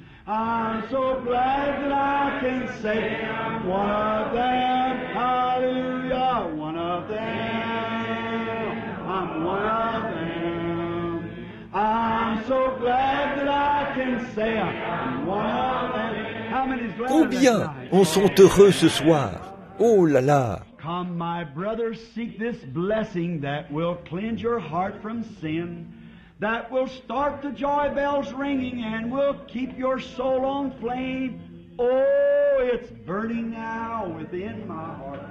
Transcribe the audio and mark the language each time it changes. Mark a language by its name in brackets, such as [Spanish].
[English] I'm so glad that I can say I'm one of them, hallelujah, one of them, I'm one of them. I'm so glad that I can say I'm one of them. How many is glad? [French] Combien en sont heureux ce soir? Oh là là! [English] Come, my brother, seek this blessing that will cleanse your heart from sin. That will start the joy bells ringing and will keep your soul on flame. Oh, it's burning now within my heart.